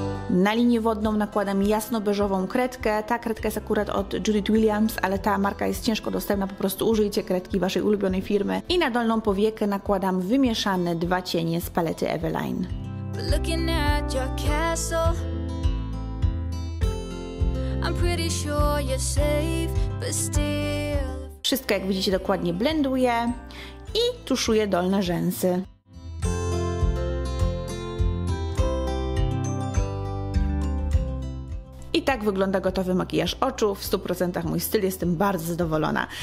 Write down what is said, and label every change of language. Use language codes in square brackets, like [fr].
[pl] Na linię wodną nakładam jasno-beżową kredkę. Ta kredka jest akurat od Judith Williams, ale ta marka jest ciężko dostępna. Po prostu użyjcie kredki waszej ulubionej firmy. I na dolną powiekę nakładam wymieszane dwa cienie z palety Eveline. [en] Looking at your castle, I'm pretty sure you're safe, but still. [pl] Wszystko, jak widzicie, dokładnie blenduję i tuszuję dolne rzęsy. I tak wygląda gotowy makijaż oczu, w 100% mój styl, jestem bardzo zadowolona.